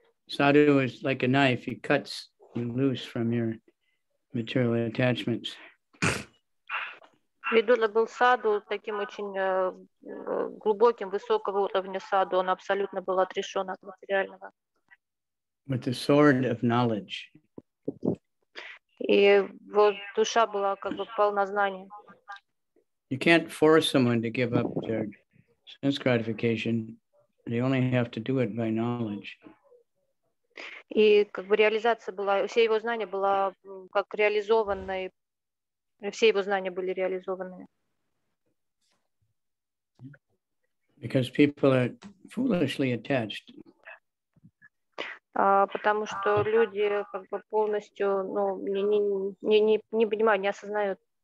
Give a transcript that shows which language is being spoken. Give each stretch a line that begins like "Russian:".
English: Sadhu is like a knife. He cuts you loose from your material attachments.
Russian: Видура был саду, таким очень глубоким, высокого уровня саду. Он абсолютно был отрешен от материального.
English: With the sword of knowledge.
Russian: И вот душа была как бы полна знания.
English: You can't force someone to give up their sense gratification. They only have to do it by knowledge.
Russian: И как бы реализация была, все его знания была как реализованной, все его знания были реализованы.
English: Because people are foolishly attached.
Russian: Потому что люди как бы полностью, ну, не понимают, не осознают.